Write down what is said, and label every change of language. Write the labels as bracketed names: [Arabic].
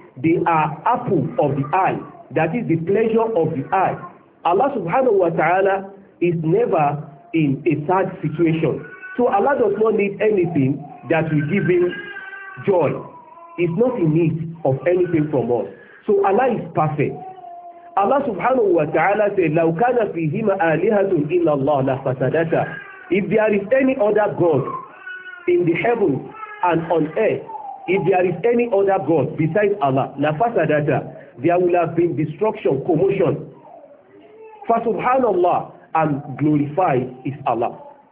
[English] They are apple of the eye. That is the pleasure of the eye. Allah subhanahu wa ta'ala is never in a sad situation. So Allah does not need anything that will give Him joy. He's not in need of anything from us. So Allah is perfect. Allah subhanahu wa ta'ala said, [Arabic] لَوْ كَانَ فِيهِمَ آلِهَةٌ إِلَّا اللَّهُ لَفَسَدَتَا. [English] If there is any other God in the heavens and on earth, if there is any other God besides Allah, [Arabic] لَفَسَدَتَا, [English] there will have been destruction, commotion. [Arabic] فَسُبْحَانَ اللَّهُ, [English] and glorified is Allah.